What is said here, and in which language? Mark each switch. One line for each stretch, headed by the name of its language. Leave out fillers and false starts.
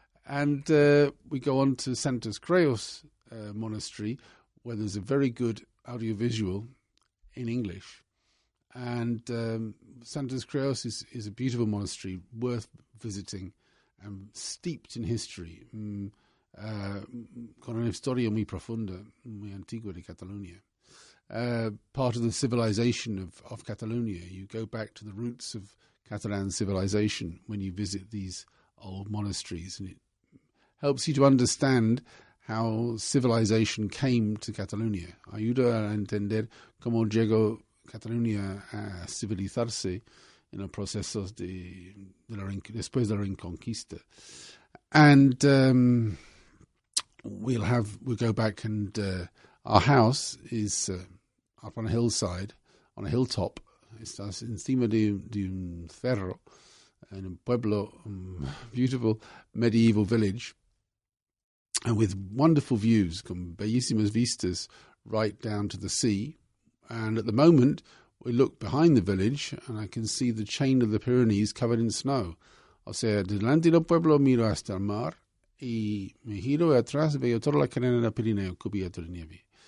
English: And we go on to Santos Creus Monastery, where there's a very good audiovisual in English. And Santos Creus is a beautiful monastery, worth visiting, and steeped in history.
Spanish: Con una historia muy profunda, muy antigua de Catalunya.
English: Part of the civilization of Catalunya. You go back to the roots of Catalan civilization when you visit these old monasteries, and it helps you to understand how civilization came to Catalunya.
Spanish: Ayuda a entender cómo llegó Catalunya a civilizarse en el proceso después de la reconquista.
English: And we'll go back, and our house is up on a hillside, on a hilltop.
Spanish: Estás encima de un cerro, en un pueblo,
English: beautiful medieval village, and with wonderful views,
Spanish: con bellísimas vistas,
English: right down to the sea. And at the moment, we look behind the village, and I can see the chain of the Pyrenees covered in snow.
Spanish: O sea, delante del pueblo miro hasta el mar, y me giro atrás y veo toda la cadena del Pirineo cubierta de nieve.